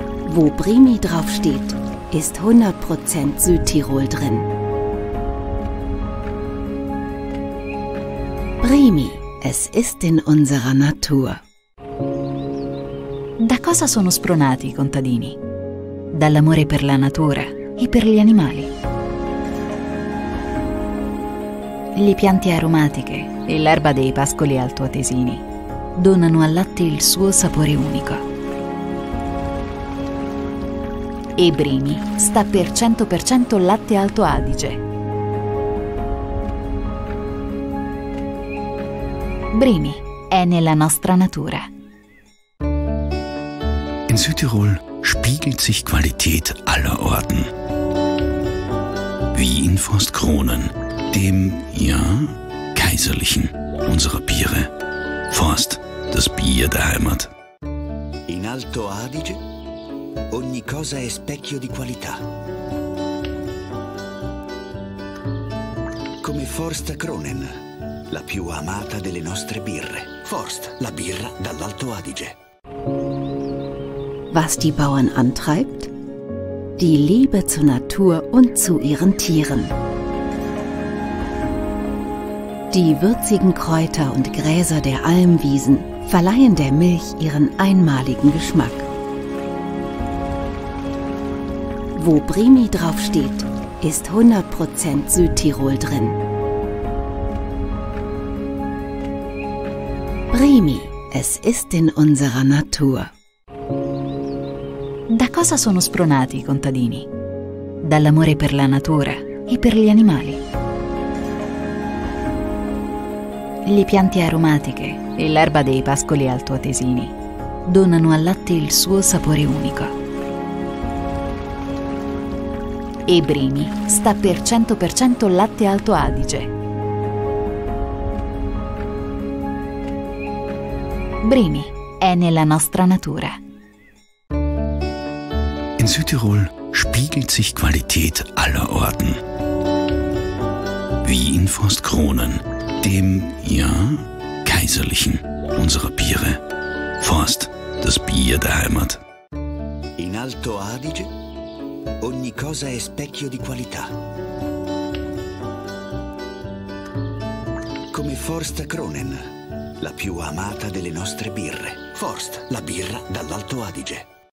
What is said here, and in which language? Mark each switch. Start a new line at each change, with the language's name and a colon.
German: Wo Brimi draufsteht, ist 100% Südtirol drin. Brimi, es ist in unserer Natur.
Italian: Da cosa sono spronati i contadini? Dall'amore per la natura e per gli animali. Le piante aromatiche e l'erba dei pascoli altoatesini donano al latte il suo sapore unico. E Brimi sta per 100% latte Alto Adige. Brimi è nella nostra natura.
German: In Südtirol spiegelt sich Qualität aller Orten. Wie in Forstkronen, dem, ja, kaiserlichen unserer Biere. Forst, das Bier der Heimat.
Italian: In Alto Adige ogni cosa è specchio di qualità. Come Forst Kronen, la più amata delle nostre birre. Forst, la birra dall'Alto Adige.
German: Was die Bauern antreibt? Die Liebe zur Natur und zu ihren Tieren. Die würzigen Kräuter und Gräser der Almwiesen verleihen der Milch ihren einmaligen Geschmack. Wo Brimi draufsteht, ist 100% Südtirol drin. Brimi, es ist in unserer Natur.
Italian: Da cosa sono spronati i contadini? Dall'amore per la natura e per gli animali. Le piante aromatiche e l'erba dei pascoli altoatesini donano al latte il suo sapore unico. E Brimi sta per 100% latte Alto Adige. Brimi è nella nostra natura.
German: In Südtirol spiegelt sich Qualität aller Orten. Wie in Forstkronen, dem, ja, kaiserlichen unserer Biere. Forst, das Bier der Heimat.
Italian: In Alto Adige ogni cosa è specchio di qualità. Come Forst Kronen, la più amata delle nostre birre. Forst, la birra dall'Alto Adige.